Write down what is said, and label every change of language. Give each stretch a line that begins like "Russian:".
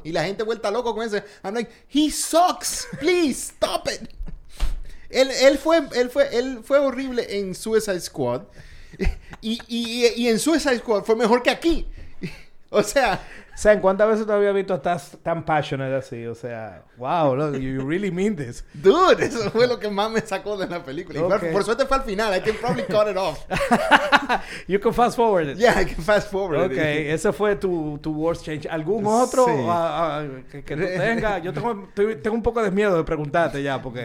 Spanish: Y la gente vuelta loco con ese.
English: I'm like, he sucks, please stop it.
Spanish: Él fue horrible en Suicide Squad. Y en Suicide Squad fue mejor que aquí. O sea, ¿saben cuántas veces te había visto estás tan passionate así? O sea,
English: wow, look, you really mean this.
Spanish: Dude, eso fue lo que más me sacó de la película.
English: Okay.
Spanish: Por suerte fue al final.
English: I can probably cut it off. You can fast forward it. Yeah, I can fast forward okay. it.
Spanish: Okay, ese fue tu
English: worst change.
Spanish: ¿Algún otro que tú tengas? Yo tengo un poco de miedo de preguntarte ya porque...